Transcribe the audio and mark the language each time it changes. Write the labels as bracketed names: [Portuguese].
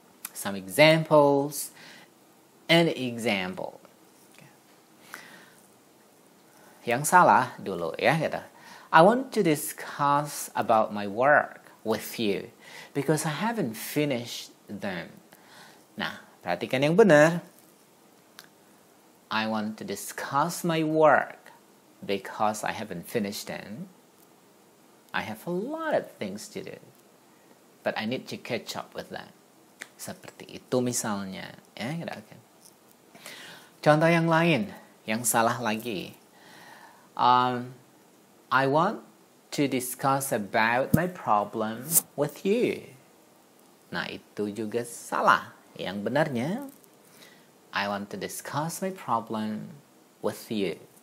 [English] Some examples, an example. Okay. [Indonesian] Yang salah dulu ya gitu. [English] I want to discuss about my work with you because I haven't finished them. [Indonesian] Nah, perhatikan yang benar. [English] I want to discuss my work because I haven't finished them. I have a lot of things to do, but I need to catch up with that. [Indonesian] Seperti itu misalnya. Ya, gitu, okay. Contoh yang lain, yang salah lagi. [English] I want to discuss about my problem with you. [Indonesian] Nah, itu juga salah. Yang benarnya, [English] I want to discuss my problem with you.